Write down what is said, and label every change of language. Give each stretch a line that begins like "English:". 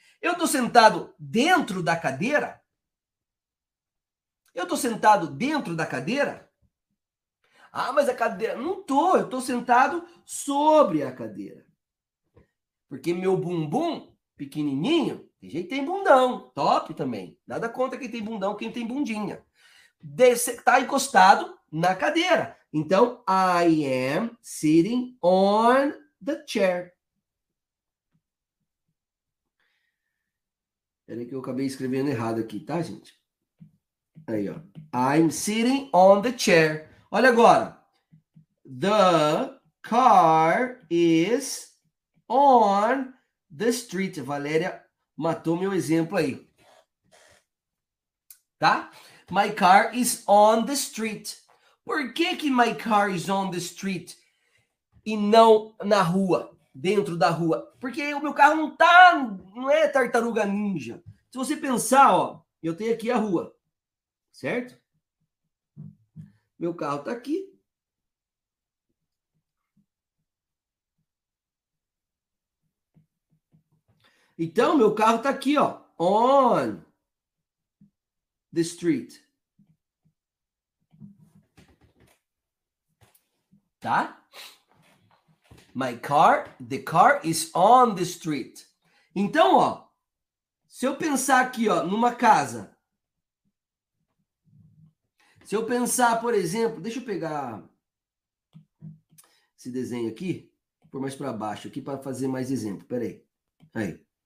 Portuguese: Eu estou sentado dentro da cadeira? Eu estou sentado dentro da cadeira? Ah, mas a cadeira... Não estou, eu estou sentado sobre a cadeira. Porque meu bumbum pequenininho, tem gente que tem bundão, top também. Nada contra quem tem bundão, quem tem bundinha. Está encostado na cadeira.
English: Então, I am sitting on the chair.
Portuguese: Peraí que eu acabei escrevendo errado aqui, tá, gente? Aí, ó.
English: I'm sitting on the chair.
Portuguese: Olha agora.
English: The car is on the street.
Portuguese: Valéria matou meu exemplo aí. Tá?
English: My car is on the street.
Portuguese: Por que que
English: my car is on the street
Portuguese: e não na rua, dentro da rua? Porque o meu carro não tá, não é tartaruga ninja. Se você pensar, ó, eu tenho aqui a rua, certo? Meu carro tá aqui. Então, meu carro tá aqui, ó,
English: on the street.
Portuguese: Tá?
English: My car, the car is on the street.
Portuguese: Então, ó, se eu pensar aqui, ó, numa casa. Se eu pensar, por exemplo, deixa eu pegar esse desenho aqui, pôr mais para baixo aqui para fazer mais exemplo. Peraí. Aí.